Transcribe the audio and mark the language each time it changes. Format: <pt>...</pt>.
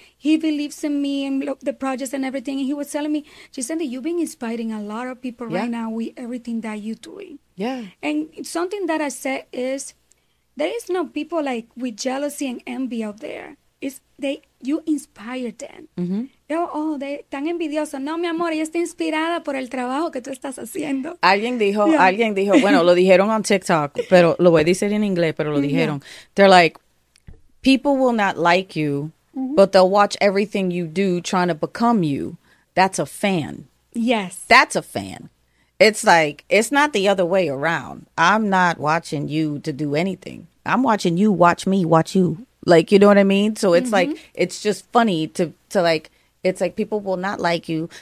<en>He believes in me and the projects and everything. And he was telling me, Gisende, you've been inspiring a lot of people right now with everything that you're doing. Yeah. And something that I said is, there is no people like with jealousy and envy out there. You inspire them. Mm-hmm. Oh, they're</en> <es>tan envidiosos. No, mi amor, ella está inspirada por el trabajo que tú estás haciendo. Alguien dijo, bueno, lo dijeron on TikTok, pero lo voy a decir en inglés, pero lo dijeron.</es> <en>They're like, people will not like you, but they'll watch everything you do trying to become you. That's a fan. Yes. That's a fan. It's like, it's not the other way around. I'm not watching you to do anything. I'm watching you watch me watch you. Like, you know what I mean? So it's like, it's just funny to like, it's like people will not like you.</en>